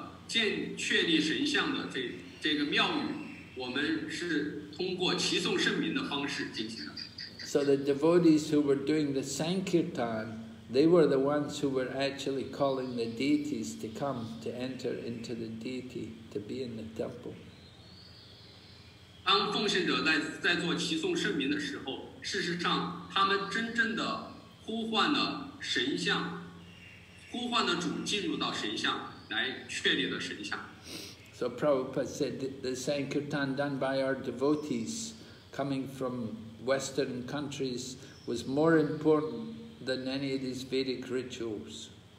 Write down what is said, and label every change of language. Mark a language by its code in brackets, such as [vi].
[zh] 建确立神像的这个庙宇，我们是通过齐颂圣名的方式进行的。 [en] So the devotees who were doing the Sankirtan, they were the ones who were actually calling the deities to come to enter into the deity, to be in the temple. [zh] 当奉献者在做齐颂圣名的时候，事实上他们真正的呼唤了神像，呼唤了主进入到神像来确立了神像。 [en] So Prabhupada said the Sankirtan done by our devotees coming from Western countries was more important than any of these Vedic rituals.